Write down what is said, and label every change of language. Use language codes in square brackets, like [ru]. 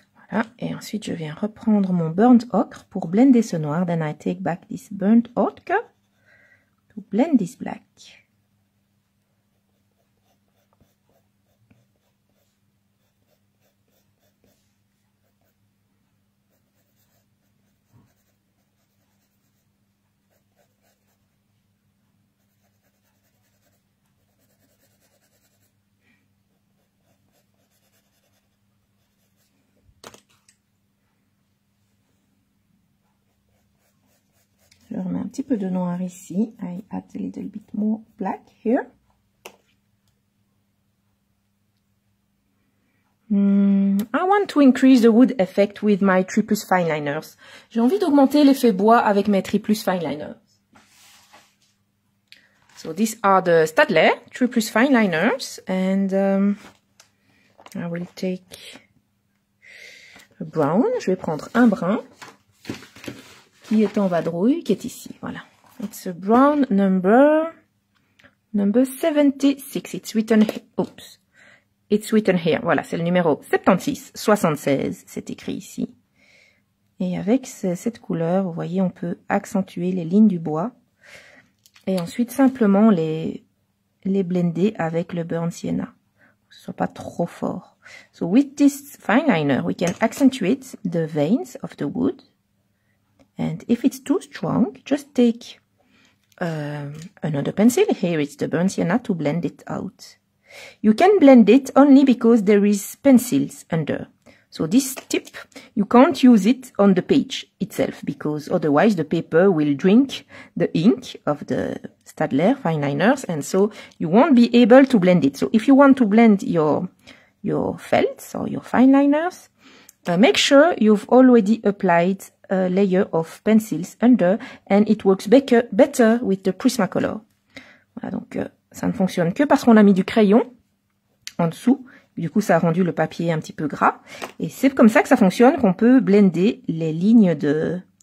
[fr] Ah, et ensuite, je viens reprendre mon burnt ochre pour blender ce noir. [en] Then I take back this burnt ochre to blend this black. [fr] Je remets un petit peu de noir ici. [en] I add a little bit more black here. I want to increase the wood effect with my triplus fineliners. [fr] J'ai envie d'augmenter l'effet bois avec mes triplus fineliners. [en] So these are the Staedtler triplus fineliners. And I will take a brown. [fr] Je vais prendre un brun. Qui est en vadrouille, qui est ici, voilà. [en] It's a brown number 76. It's written, oops, it's written here. [fr] Voilà, c'est le numéro 76, 76, c'est écrit ici. Et avec cette couleur, vous voyez, on peut accentuer les lignes du bois. Et ensuite, simplement les blender avec le burnt sienna. Que ce ne soit pas trop fort. [en] So with this fineliner, we can accentuate the veins of the wood. And if it's too strong, just take another pencil. Here it's the burnt sienna to blend it out. You can blend it only because there is pencils under. So this tip, you can't use it on the page itself because otherwise the paper will drink the ink of the Staedtler fineliners and so you won't be able to blend it. So if you want to blend your felts or your fineliners, make sure you've already applied a layer of pencils under and it works better with the Prismacolor. [fr] Voilà, donc ça ne fonctionne que parce qu'on a mis du crayon en dessous. Du coup, ça a rendu le papier un petit peu gras. Et c'est comme ça que ça fonctionne, qu'on peut blender les lignes de...